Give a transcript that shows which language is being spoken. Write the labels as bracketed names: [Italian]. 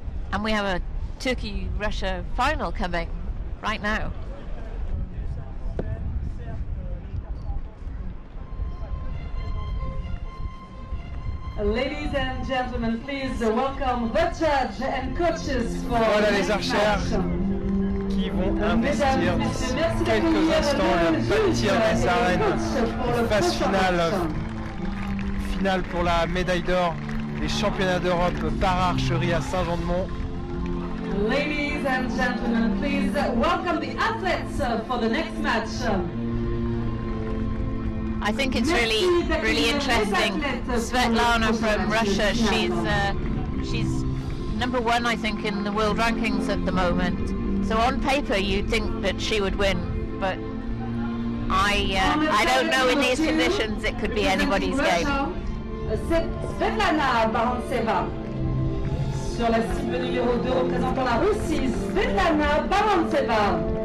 [English] And we have a Turkey-Russia final coming right now. Ladies and gentlemen, please welcome the judge and coaches for [French] voilà [English] the [French] les archers [English] match. [French] Qui vont investir quelques instants le bâtir des arènes phase finale finale pour la médaille d'or des championnats d'Europe par archerie à Saint-Jean-de-Monts. [English] Ladies and gentlemen, please welcome the athletes for the next match. I think it's really, really interesting. Svetlana from Russia, she's number one, I think, in the world rankings at the moment. So on paper, you'd think that she would win, but I don't know in these conditions, it could be anybody's game. Svetlana Barantseva. [French] Sur la cible numéro 2, représentant la Russie, Svetlana Barantseva.